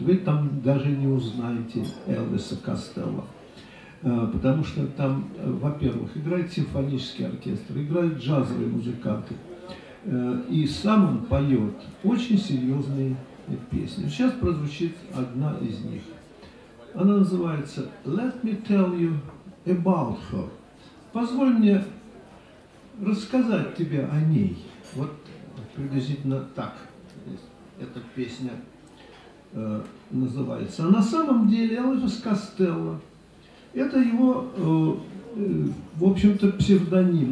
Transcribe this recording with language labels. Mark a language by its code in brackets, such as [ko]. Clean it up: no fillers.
[ru] Вы там даже не узнаете Элвиса Костелло. Потому что там, во-первых, играет симфонический оркестр, играют джазовые музыканты. И сам он поет очень серьезные песни. Сейчас прозвучит одна из них. [en] Она называется «Let me tell you about her». [ru] Позволь мне рассказать тебе о ней. Вот приблизительно так эта песня называется. А на самом деле Элвис Костелло – это его, в общем-то, псевдоним.